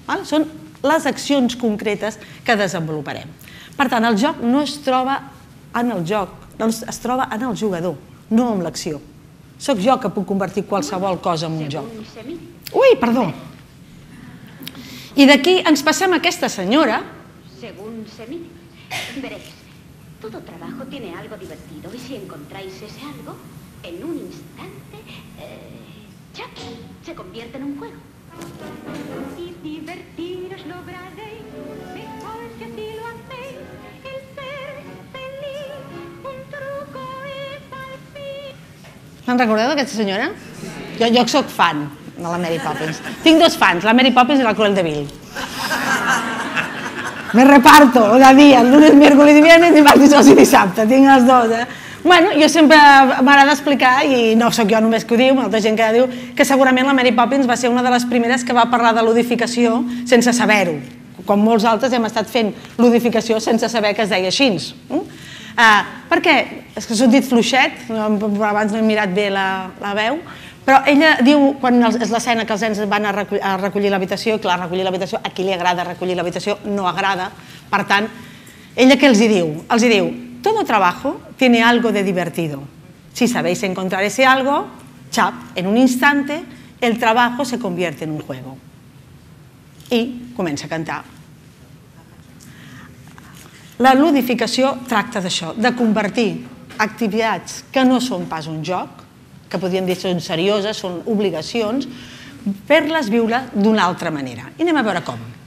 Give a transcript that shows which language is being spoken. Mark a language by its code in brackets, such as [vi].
[ca] Són les accions concretes que desenvoluparem. Per tant, el joc no es troba en el joc, doncs es troba en el jugador, no en l'acció. Soc jo que puc convertir qualsevol cosa en un joc. Ui, perdó. I d'aquí ens passem a aquesta senyora. [es] Según se mire, veréis, todo trabajo tiene algo divertido y si encontráis ese algo, en un instante, chac, se convierte en un juego. Y divertiros lograréis, mejor que si lo hacéis, el ser feliz, un truco es al fin. [ca] Me'n recordeu d'aquesta senyora? Jo sóc fan de la Mary Poppins. Tinc dos fans, la Mary Poppins i la Cruella de Vil. Me reparto de dia, el lunes, miércoles i viernes, dimarts, dijous i dissabte. Tinc els dos, eh? Bueno, jo sempre m'agrada explicar, i no sóc jo només que ho diu, molta gent que diu, que segurament la Mary Poppins va ser una de les primeres que va parlar de ludificació sense saber-ho. Com molts altres hem estat fent ludificació sense saber que es deia així. Per què? És que s'ho he dit fluixet, abans no he mirat bé la veu. Però ella diu, quan és l'escena que els nens van a recollir l'habitació, i clar, recollir l'habitació, a qui li agrada recollir l'habitació, no agrada. Per tant, ella què els hi diu? [es] Els hi diu, todo trabajo tiene algo de divertido. Si sabéis encontrar ese algo, chap, en un instante, el trabajo se convierte en un juego. [ca] I comença a cantar. La ludificació tracta d'això, de convertir activitats que no són pas un joc, que podríem dir que són serioses, són obligacions, fer-les viure d'una altra manera. I anem a veure com.